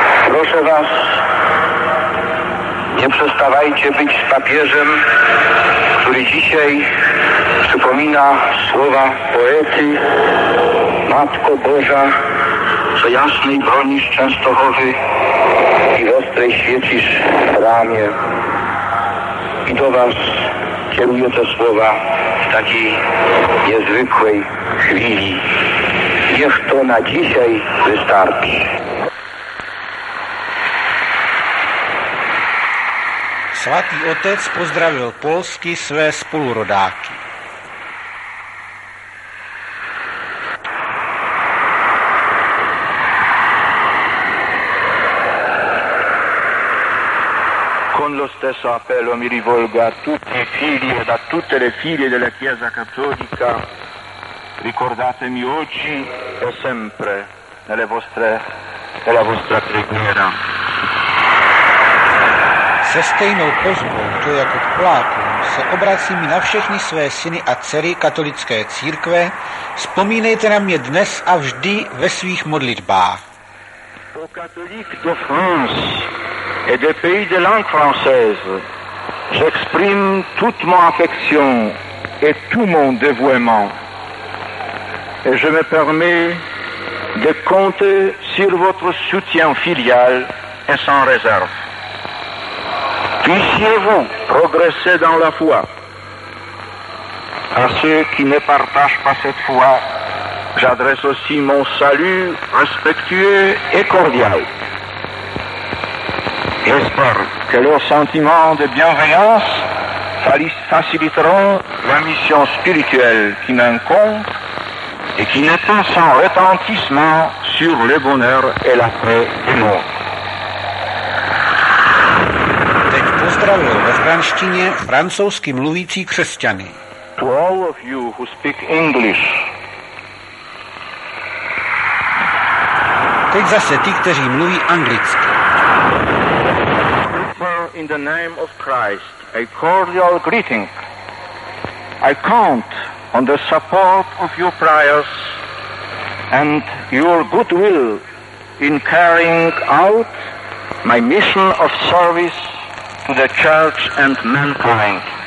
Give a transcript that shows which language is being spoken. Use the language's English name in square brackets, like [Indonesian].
[Polish] Proszę was, nie przestawajcie być z papieżem, który dzisiaj przypomina słowa poety: Matko Boża, co jasnej bronisz Częstochowy i w ostrej świecisz ramię. I do was kieruję te słowa w takiej niezwykłej chwili. Niech to na dzisiaj wystarczy. [Czech] Svatý Otec pozdravil Polsky své spolurodáky. [Italian] Stesso appello mi rivolgo a tutti i figli e a tutte le figlie della Chiesa Cattolica. Ricordatemi oggi e sempre nella vostra preghiera. [Czech] Se stejnou pozvou, to jako plákům, se obracím na všechny své syny a dcery katolické církve. Vzpomínejte na mě dnes a vždy ve svých modlitbách. [French] O Catholique de France et des pays de langue française, j'exprime toute mon affection et tout mon dévouement. Et je me permets de compter sur votre soutien filial et sans réserve. Puissiez-vous progresser dans la foi. À ceux qui ne partagent pas cette foi, j'adresse aussi mon salut respectueux et cordial. J'espère que leurs sentiments de bienveillance faciliteront la mission spirituelle qui m'incombe et qui n'atteint son retentissement sur le bonheur et la paix du monde. [Czech] Pozdravil ve franštině francouzsky mluvící křesťany. [English] To all of you who speak English. [Czech] Teď zase ty, kteří mluví anglicky. [English] In the name of Christ, a cordial greeting. I count on the support of your prayers and your goodwill in carrying out my mission of service to the church and mankind.